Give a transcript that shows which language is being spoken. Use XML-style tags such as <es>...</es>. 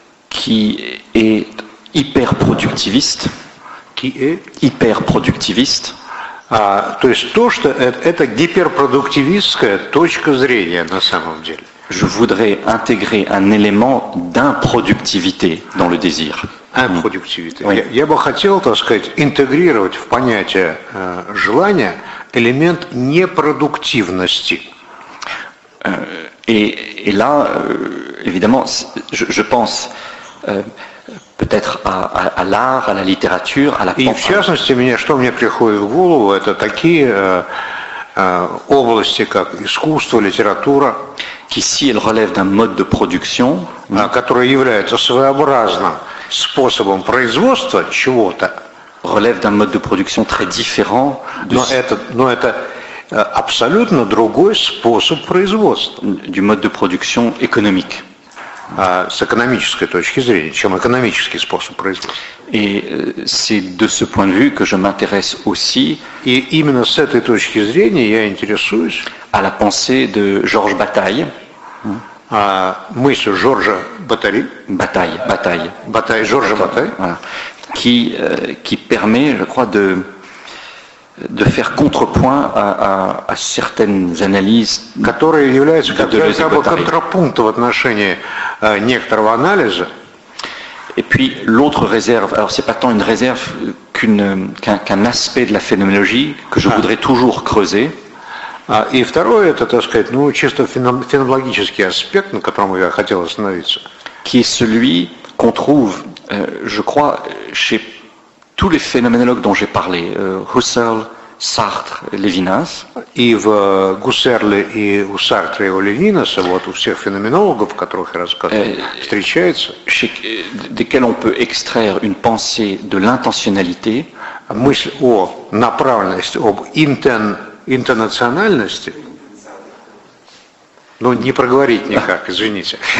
<fr>Qui est hyper productiviste. Qui est hyper productiviste.</fr> <ru>То есть то, что это гиперпродуктивистская точка зрения на самом деле.</ru> <fr>Je voudrais intégrer un élément d'improductivité dans le désir. Improductivité. Oui.</fr> <ru>Я бы хотел, так сказать, интегрировать в понятие желания элемент непродуктивности.</ru> <fr>Et là, évidemment, je pense peut-être à l'art, à la littérature, à la pensée.</fr> <ru>И в частности, что мне приходит в голову, это такие области, как искусство, литература,</ru> <fr>qui, si elle relève d'un mode de production,</fr> <ru>который является своеобразным способом производства чего-то,</ru> <fr>relève d'un mode de production très différent.</fr> <ru>Но это абсолютно другой способ производства.</ru> <fr>Du mode de production économique.</fr> <ru>С экономической точки зрения, чем экономический способ производства.</ru> <fr>Et c'est de ce point de vue que je m'intéresse aussi.</fr> <ru>И именно с этой точки зрения я интересуюсь.</ru> <fr>À la pensée de Georges Bataille.</fr> <ru>А мысль Жоржа Батари.</ru> <fr>Bataille.</fr> <ru>Bataille, Жоржа Bataille.</ru> <fr>Voilà. Qui permet, je crois, de faire contrepoint à certaines analyses,</fr> <ru>которые являются как бы контрапунктом в отношении некоторого анализа.</ru> <fr>Et puis l'autre réserve, alors c'est pas tant une réserve qu'un aspect de la phénoménologie que je voudrais toujours creuser.</fr> <ru>И второе, это, так сказать, чисто феноменологический аспект, на котором я хотел остановиться.</ru> <fr>Qui est celui qu'on trouve, je crois, chez tous les phénoménologues dont j'ai parlé, Husserl, Sartre, Levinas.</fr> <ru>Yves Husserl et Sartre et Levinas, вот у всех феноменологов, которых я рассказывал, встречаются.</ru> <fr>Desquels on peut extraire une pensée de l'intentionnalité.</fr> <ru>Мысль о направленности, об интернациональности. Ну, не проговорить никак, извините.</ru>